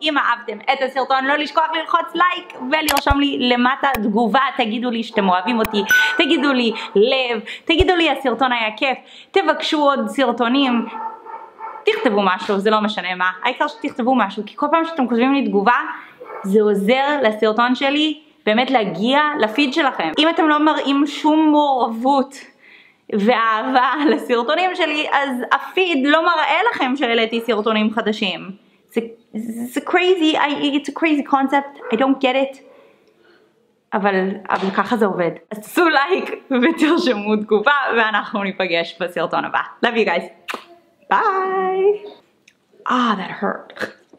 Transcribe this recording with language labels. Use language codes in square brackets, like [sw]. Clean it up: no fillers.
[he] אם אהבתם את הסרטון, לא לשכוח ללחוץ לייק ולרשום לי למטה תגובה, תגידו לי שאתם אוהבים אותי, תגידו לי לב, תגידו לי הסרטון היה כיף, תבקשו עוד סרטונים, תכתבו משהו, זה לא משנה מה, העיקר שתכתבו משהו, כי כל פעם שאתם כותבים לי תגובה, זה עוזר לסרטון שלי באמת להגיע לפיד שלכם. אם אתם לא מראים שום מעורבות ואהבה לסרטונים שלי, אז הפיד לא מראה לכם שהעליתי סרטונים חדשים. [en] It's crazy, it's a crazy concept, I don't get it. [he] אבל ככה זה עובד. עשו לייק ותרשמו תגובה, ואנחנו ניפגש בסרטון הבא. [en] Love you guys. Bye. Ah, that hurt.